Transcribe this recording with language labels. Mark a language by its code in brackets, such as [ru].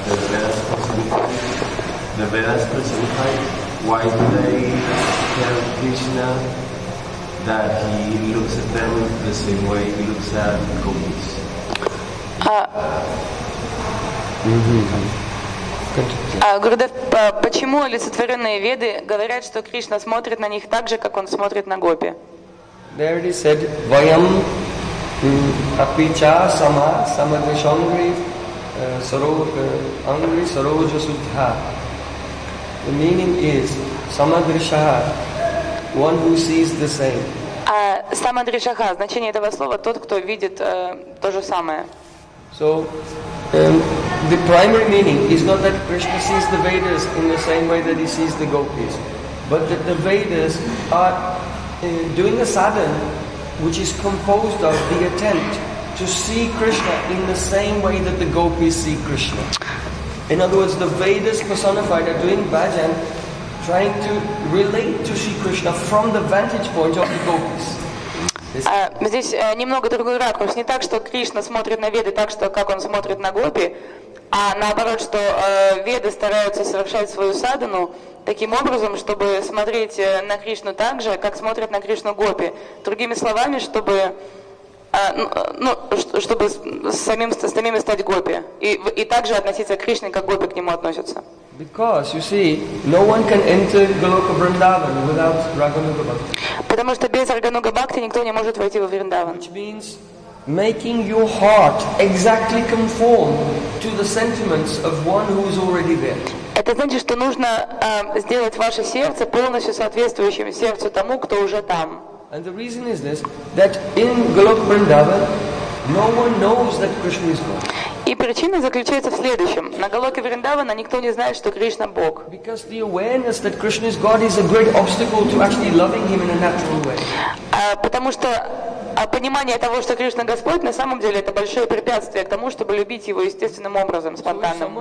[en] The Vedas specify, why do they tell Krishna that he looks at them the same way he looks at gopis? [ru] Гурудев, почему олицетворенные Веды говорят, что Кришна смотрит на них так же, как он смотрит на гопи? [en] They already said, [sa] vayam apicha sama samadishangri angri saroja suddha. [en] The meaning is samadrishaha, one who sees the same. [ru] Samadrishaha, значение этого слова, тот, кто видит то же самое. [en] So, the primary meaning is not that Krishna sees the Vedas in the same way that he sees the gopis, but that the Vedas are doing a sadhana which is composed of the attempt to see Krishna in the same way that the gopis see Krishna. In other words, the Vedas personified are doing bhajan, trying to relate to Sri Krishna from the vantage point of the gopis. [ru] Здесь немного другой ракурс. Не так, что Кришна смотрит на Веды так, что как он смотрит на гопи, а наоборот, что Веды стараются совершать свою садхану таким образом, чтобы смотреть на Кришну так же, как смотрят на Кришну гопи. Другими словами, чтобы самими стать гопи и также относиться к Кришне, как гопи к нему относятся. [en] Because you see, no one can enter Goloka Vrindavan without Raghunuga Bhakti. [ru] Потому что без Рагануга Бхакти никто не может войти во Вриндаван. [en] Which means making your heart exactly conform to the sentiments of one who is already there. [ru] Это значит, что нужно сделать ваше сердце полностью соответствующим сердцу тому, кто уже там. [en] And the reason is this, that in Goloka Vrindavan, no one knows that Krishna is God. [ru] И причина заключается в следующем. На Голоке Вриндавана никто не знает, что Кришна – Бог. [en] Because the awareness that Krishna is God is a great obstacle to actually loving Him in a natural way. [ru] Потому что понимание того, что Кришна – Господь, на самом деле это большое препятствие к тому, чтобы любить Его естественным образом, спонтанно.